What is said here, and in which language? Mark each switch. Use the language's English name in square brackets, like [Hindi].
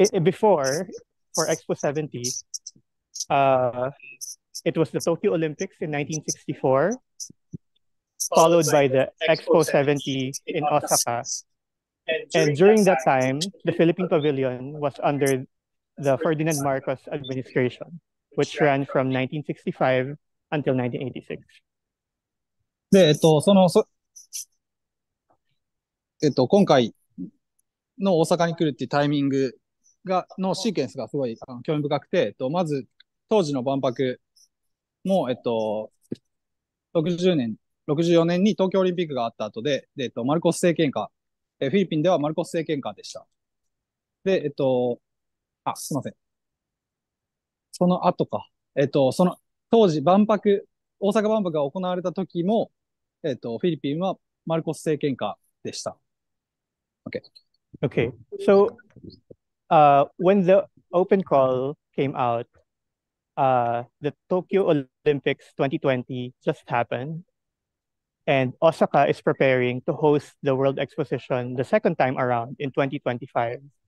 [English] Before, for Expo 70, it was the Tokyo Olympics in 1964, followed by the Expo 70 in Osaka. And during that time, the Philippine Pavilion was under the Ferdinand Marcos administration, which ran from 1965 until 1986. [Japanese] で、今回、の大阪に来るっていうタイミングが、のシーケンスがすごい興味深くて、まず当時の万博も、64年に東京オリンピックがあった後で、で、マルコス政権下、フィリピンではマルコス政権下でした。で、すいません。その後か。その当時万博、大阪万博が行われた時も、フィリピンはマルコス政権下でした。 [English] Okay. Okay, so when the open call came out, the Tokyo Olympics 2020 just happened, and Osaka is preparing to host the World Exposition the second time around in 2025.